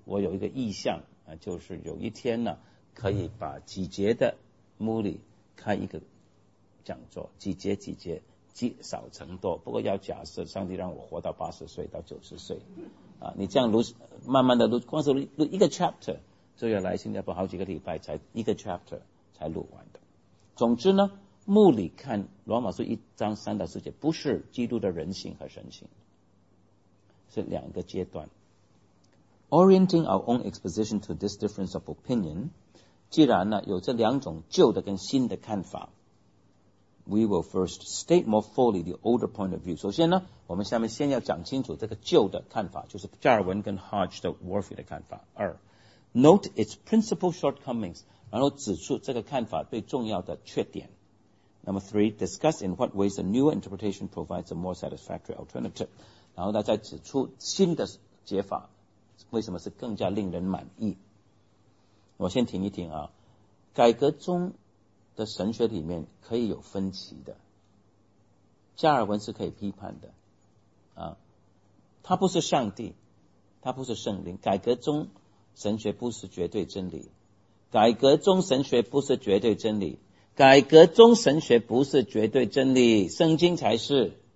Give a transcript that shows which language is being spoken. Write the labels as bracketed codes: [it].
[zh] 我有一个意向啊，就是有一天呢，可以把几节的穆里开一个讲座，几节积少成多，不过要假设上帝让我活到80岁到90岁啊，你这样录慢慢的录，光是录一个 chapter 就要来新加坡好几个礼拜才一个 chapter 才录完的。总之呢，穆里看罗马书1章3到4节不是基督的人性和神性，是两个阶段。 [en] Orienting our own exposition to this difference of opinion， [zh] 既然呢有这两种旧的跟新的看法， [en] We will first state more fully the older point of view. [zh] 首先呢，我们下面先要讲清楚这个旧的看法，就是加尔文跟 Hodge 的 Worthy 的看法。二， [en] note its principal shortcomings， [zh] 然后指出这个看法最重要的缺点。 [en] Number three, discuss in what ways the newer interpretation provides a more satisfactory alternative， [zh] 然后大家指出新的解法为什么是更加令人满意。我先停一停啊，改革中的神学里面可以有分歧的，加尔文是可以批判的啊，他不是上帝，他不是圣灵，改革中神学不是绝对真理，改革中神学不是绝对真理，改革中神学不是绝对真理，圣经才是。